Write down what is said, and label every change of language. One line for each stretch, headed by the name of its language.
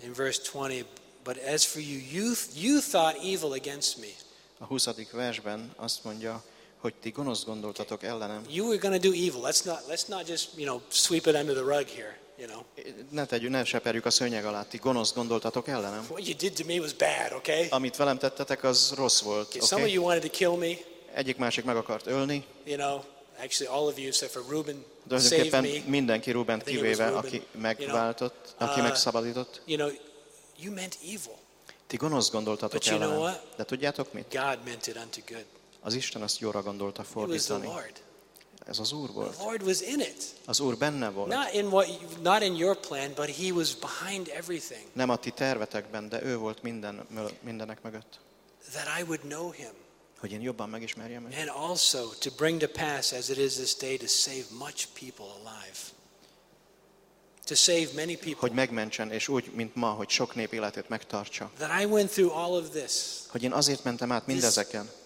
English: In verse 20, but as for you, you thought evil against me.
Hungarian: A 20. versben azt mondja, hogy ti gonosz gondoltatok ellenem.
English: You were going to do evil. Let's not just, you know, sweep it under the rug here, you know.
Hungarian: Ne seperjük a szőnyeg alá. Ti gonosz gondoltatok ellenem.
English: What you did to me was bad, okay?
Hungarian: Amit velem tettetek, az rossz volt, okay?
English: Some of you wanted to kill me.
Hungarian: Egyik másik meg akart ölni.
English: You know, actually all of you except for Reuben saved me.
Hungarian: Mindenki Reuben kivéve, aki megváltott, aki megszabadított.
English: You know, you meant evil.
Hungarian: Ti gonosz gondoltatok ellenem.
English: But you know what?
Hungarian: De tudjátok mit?
English: God meant it unto good.
Hungarian: Az Isten azt jóra gondolta fordítani. Ez az Úr volt.
English: The Lord was in it.
Hungarian: Az Úr benne volt.
English: Not in your plan, but he was behind everything.
Hungarian: Nem a ti tervetekben, de ő volt mindenek mögött.
English: That I would know him.
Hungarian: Hogy én jobban megismerjem őt.
English: And also to bring to pass as it is this day to save much people alive. To save many people.
Hungarian: Hogy megmentsen, és úgy, mint ma, hogy sok nép életét megtartsa.
English: That I went through all of this.
Hungarian: Hogy én azért mentem át mindezeken.